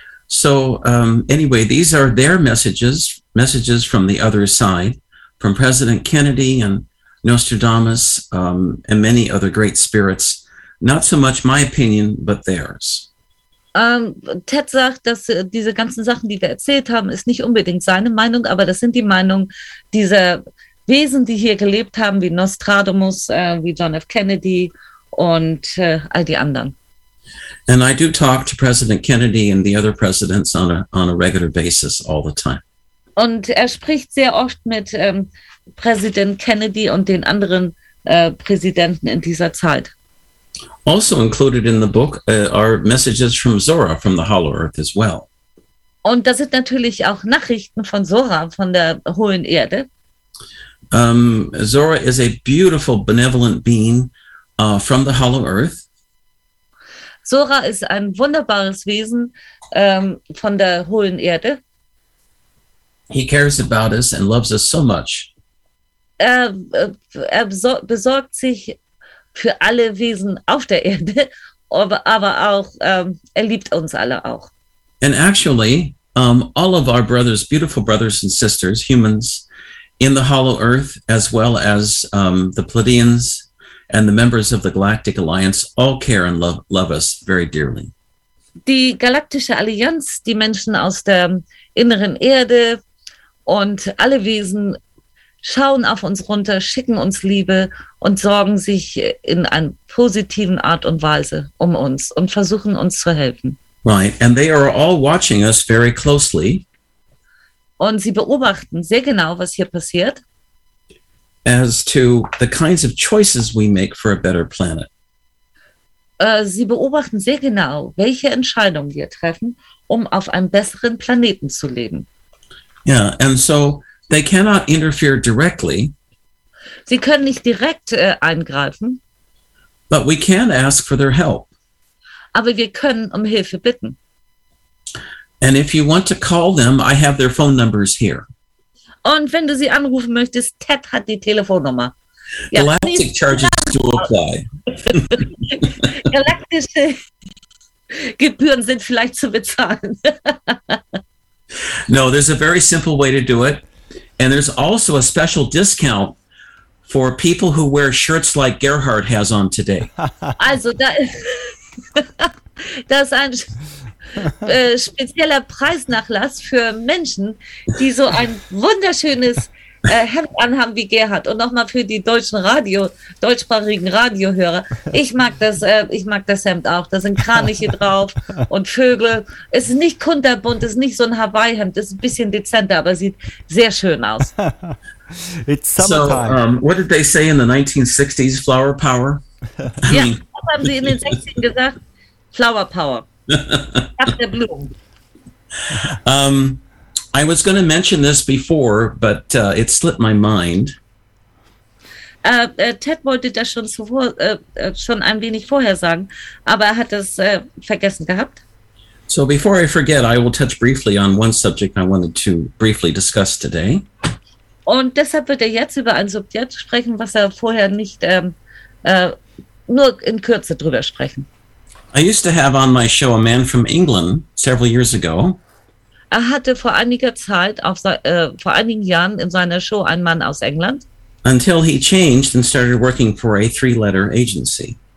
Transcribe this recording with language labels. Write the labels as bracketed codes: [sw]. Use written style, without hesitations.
[en] So anyway, these are their messages from the other side, from President Kennedy and Nostradamus and many other great spirits. Not so much my opinion, but theirs. [de] Ted sagt, dass diese ganzen Sachen, die wir erzählt haben, ist nicht unbedingt seine Meinung, aber das sind die Meinungen dieser Wesen, die hier gelebt haben, wie Nostradamus, wie John F. Kennedy und all die anderen. [en] And I do talk to President Kennedy and the other presidents on a regular basis all the time. [de] Und er spricht sehr oft mit Präsident Kennedy und den anderen Präsidenten in dieser Zeit. [en] Also included in the book are messages from Zora, from the Hollow Earth as well. [de] Und das sind natürlich auch Nachrichten von Zora, von der Hohen Erde. [en] Zora is a beautiful, benevolent being from the Hollow Earth. [de] Zora ist ein wunderbares Wesen von der Hohen Erde. [en] He cares about us and loves us so much. [de] Er besorgt sich für alle Wesen auf der Erde, aber auch er liebt uns alle auch. [en] And actually, all of our brothers, beautiful brothers and sisters, humans, in the Hollow Earth, as well as the Pleiadians and the members of the Galactic Alliance, all care and love us very dearly. [de] Die Galaktische Allianz, die Menschen aus der inneren Erde und alle Wesen schauen auf uns runter, schicken uns Liebe und sorgen sich in einer positiven Art und Weise um uns und versuchen uns zu helfen. [en] Right, and they are all watching us very closely. [de] Und sie beobachten sehr genau, was hier passiert. [en] As to the kinds of choices we make for a better planet. [de] Sie beobachten sehr genau, welche Entscheidungen wir treffen, um auf einem besseren Planeten zu leben. [en] Yeah, and so they cannot interfere directly. [de] Sie können nicht direkt eingreifen. [en] But we can ask for their help. [de] Aber wir können um Hilfe bitten. [en] And if you want to call them, I have their phone numbers here. [de] Und wenn du sie anrufen möchtest, Ted hat die Telefonnummer. [en] Ja, Galactic charges do apply. [de] Galaktische Gebühren sind vielleicht zu bezahlen. [en] No, there's a very simple way to do it. And there's also a special discount for people who wear shirts like Gerhard has on today. [de] Also, da ist ein spezieller Preisnachlass für Menschen, die so ein wunderschönes Hemd anhaben wie Gerhard. Und nochmal für die deutschsprachigen Radiohörer. Ich mag das Hemd auch. Da sind Kraniche drauf und Vögel. Es ist nicht kunterbunt, es ist nicht so ein Hawaii-Hemd. Es ist ein bisschen dezenter, aber sieht sehr schön aus. [en] It's summertime. So, what did they say in the 1960s, flower power? [de] Ja, was haben sie in den 60ern gesagt? [en] Flower power. I was going to mention this before, but it slipped my mind. [de] Ted wollte das schon ein wenig vorher sagen, aber er hat es vergessen gehabt. [en] So before I forget, I will touch briefly on one subject I wanted to briefly discuss today. [de] Und deshalb wird er jetzt über ein Subjekt sprechen, was er vorher nicht nur in Kürze drüber sprechen. [en] I used to have on my show a man from England several years ago. [de] Er hatte vor einiger Zeit vor einigen Jahren in seiner Show einen Mann aus England. [en] Until he changed and started working for a three-letter agency.